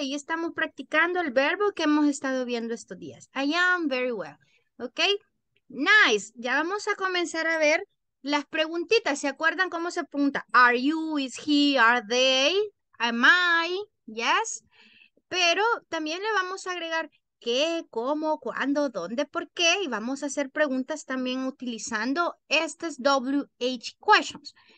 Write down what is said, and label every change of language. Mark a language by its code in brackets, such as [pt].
[es] Y estamos practicando el verbo que hemos estado viendo estos días. [en] I am very well. [es] ¿Ok? Nice. Ya vamos a comenzar a ver las preguntitas. ¿Se acuerdan cómo se pregunta? [en] Are you, is he, are they, am I? Yes. [es] Pero también le vamos a agregar qué, cómo, cuándo, dónde, por qué. Y vamos a hacer preguntas también utilizando estas WH questions.